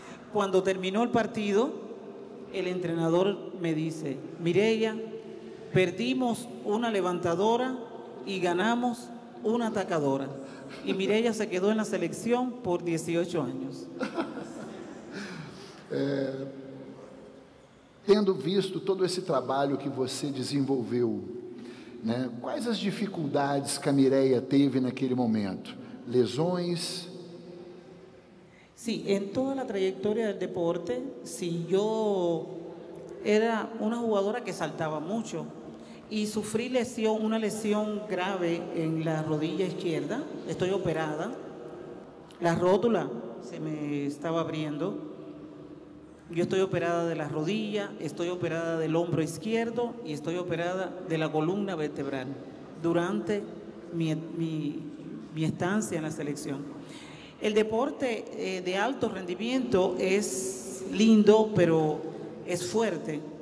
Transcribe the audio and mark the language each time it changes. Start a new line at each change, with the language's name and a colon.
Spanish: Cuando terminó el partido, el entrenador me dice: Mireya, perdimos una levantadora y ganamos una atacadora. Y Mireya se quedó en la selección por 18 años.
Portuguese: Tendo visto todo esse trabalho que você desenvolveu, né, quais as dificuldades que a Mireya teve naquele momento? Lesões? Sim, em toda a trajetória do deporte, sim, eu era uma jogadora que saltava muito e sofri uma lesão grave em
Spanish: la rodilla izquierda.
Portuguese: Estou operada, a rótula se me estava abriendo.
Spanish: Yo estoy operada de la rodilla, estoy operada del hombro izquierdo y estoy operada de la columna vertebral durante mi estancia en la selección. El deporte de alto rendimiento es lindo, pero es fuerte.